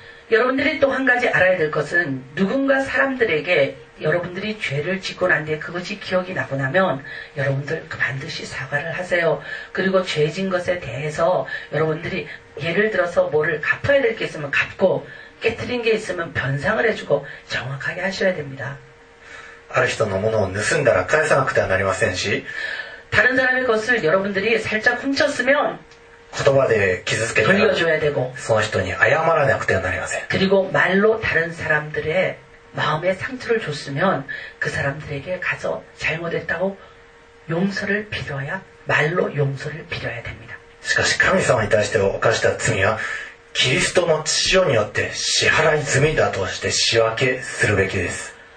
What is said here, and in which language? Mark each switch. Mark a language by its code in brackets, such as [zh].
[ko] 여러분들이또한가지알아야될것은누군가사람들에게여러분들이죄를짓고난뒤에그것이기억이나고나면여러분들반드시사과를하세요그리고죄진것에대해서여러분들이예를들어서뭐를갚아야될게있으면갚고깨트린게있으면변상을해주고정확하게하셔야됩니다 [ja] ある人のものを盗んだら返さなくてはなりませんし [ko] 다른사람의것을여러분들이살짝훔쳤으면 [ja] 言葉で傷つけたら [ko] 돌려줘야되고 [ja] その人に謝らなくてはなりません [ko] 그리고말로다른사람들의마음에상처를줬으면그사람들에게가서잘못했다고용서를빌어야말로용서를빌어야됩니다 [ja] しかし神様に対して犯した罪はキリストの血をによって支払い罪だとして仕分けするべきです